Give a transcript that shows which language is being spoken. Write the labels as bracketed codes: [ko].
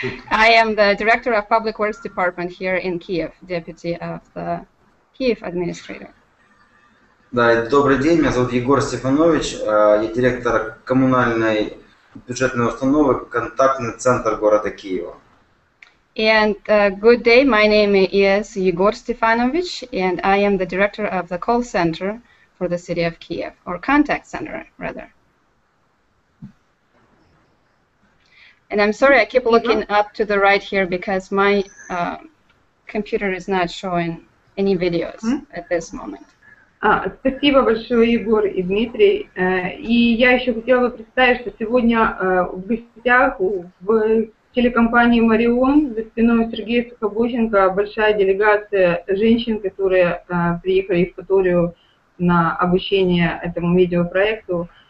[en] I am the director of public works department here in Kiev, deputy of the Kiev administrator. [ru] Да, добрый день, меня зовут Егор Стефанович, я директор коммунальной бюджетной установы, контактный центр города Киева. [en] And good day, my name is Егор Стефанович, and I am the director of the call center for the city of Kiev, or contact center, rather. And I'm sorry, I keep looking up to the right here because my computer is not showing any videos at this moment. [ru] Спасибо большое, Егор и Дмитрий. И я еще хотела бы представить, что сегодня в гостях в телекомпании «Марион» за спиной Сергея Сухобоченко большая делегация женщин, которые приехали в Паторию на обучение этому видеопроекту.